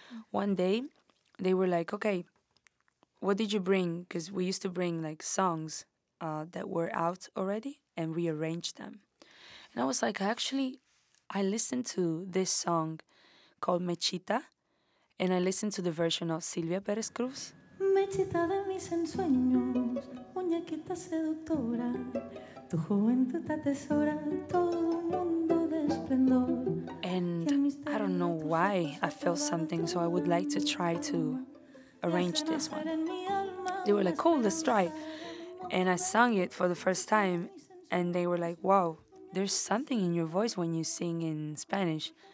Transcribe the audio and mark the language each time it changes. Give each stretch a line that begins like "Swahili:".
English: One day, they were like, okay, what did you bring? Because we used to bring like songs that were out already and rearrange them. And I was like, I listened to this song called Mechita. And I listened to the version of Silvia Perez Cruz.
Spanish: Mechita de mis ensueños, muñequita seductora, tu juventud atesora, todo mundo de esplendor.
English: And I don't know why I felt something, so I would like to try to arrange this one. they were like, "Cool, let's try." And I sung it for the first time, and they were like, "Wow, there's something in your voice when you sing in Spanish."